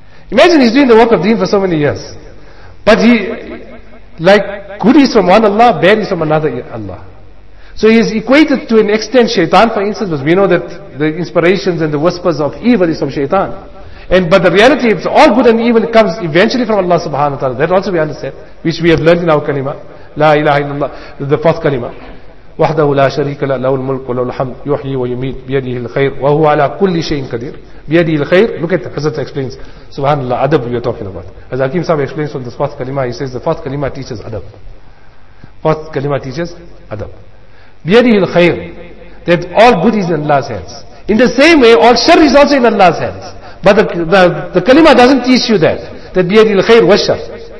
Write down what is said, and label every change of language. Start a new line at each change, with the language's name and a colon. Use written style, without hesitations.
English: Imagine he's doing the work of deen for so many years. But he, like, good is from one Allah, bad is from another Allah. So he is equated to an extent shaitan, for instance, because we know that the inspirations and the whispers of evil is from shaitan. But the reality is all good and evil comes eventually from Allah subhanahu wa ta'ala. That also we understand, which we have learned in our kalima.
Arabic: La ilaha illallah,
English: the fourth kalima.
Arabic: وحده لا شريك له له الملك وله الحمد يحيي ويميت بيده الخير وهو على كل شيء قدير بيده الخير.
English: Look at Hazrat explains, Subhanallah, adab we are talking about. As Hakim Sahib explains from the fourth kalima, he says the fourth kalima teaches adab. Fourth kalima teaches adab.
Arabic: بيده الخير,
English: that all good is in Allah's hands. In the same way, all shar is also in Allah's hands. But the kalima doesn't teach you that
Arabic: بيده الخير والشر.